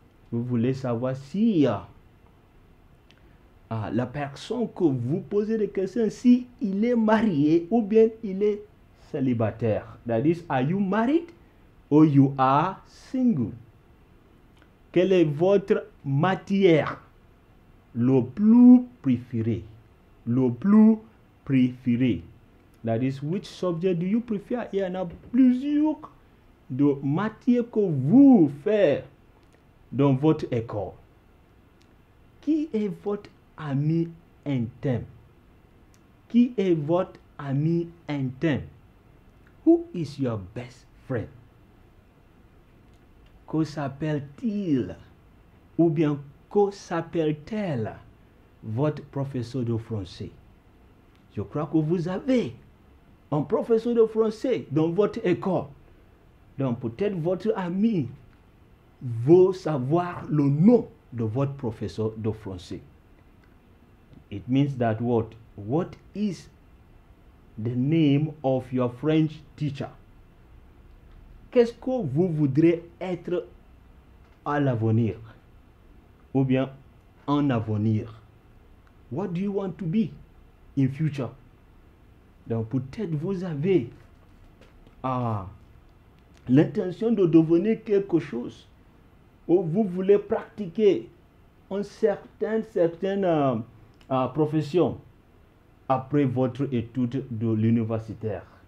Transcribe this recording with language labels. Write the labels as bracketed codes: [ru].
[fr] Vous voulez savoir si la personne que vous posez des questions, si il est marié ou bien il est célibataire. [en] That is, are you married or you are single? [fr] Quelle est votre matière le plus préférée? Le plus préférée. [en] That is, which subject do you prefer? [fr] Il y en a plusieurs de matières que vous faites dans votre école. Qui est votre ami intime? Qui est votre ami intime? [en] Who is your best friend? [fr] Que s'appelle-t-il? Ou bien, que s'appelle-t-elle votre professeur de français? Je crois que vous avez un professeur de français dans votre école. Donc, peut-être votre ami veut savoir le nom de votre professeur de français. [en] It means that what is the name of your French teacher? [fr] Qu'est-ce que vous voudrez être à l'avenir? Ou bien en avenir? [en] What do you want to be in future? [fr] Donc peut-être vous avez l'intention de devenir quelque chose. Ou vous voulez pratiquer une certaine profession après votre étude de l'universitaire.